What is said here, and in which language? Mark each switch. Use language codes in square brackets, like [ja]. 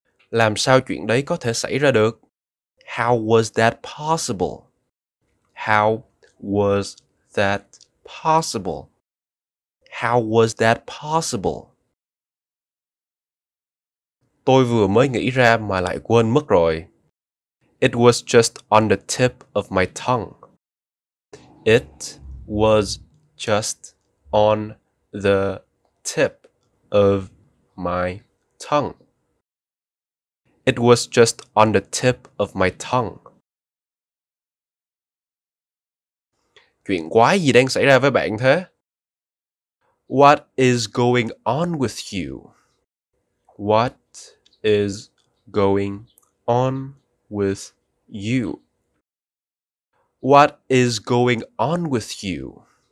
[vi] Làm sao chuyện đấy có thể xảy ra được? [en] How was that possible? How was that possible? How was that possible? [vi] Tôi vừa mới nghĩ ra mà lại quên mất rồi. [en] It was just on the tip of my tongue. It was just on the tip of my tongue. It was just on the tip of my tongue. [vi] Chuyện quái gì đang xảy ra với bạn thế? [en] What is going on with you? What is going on with you? What is going on with you?